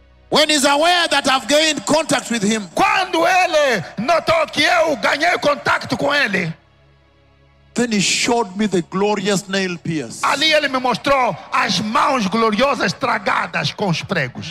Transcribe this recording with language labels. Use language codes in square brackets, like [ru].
[en] when he's aware that I've gained contact with him, [pt] quando ele notou que eu ganhei contato com ele, [en] then he showed me the glorious nail pierce. [pt] Ali ele me mostrou as mãos gloriosas estragadas com os pregos.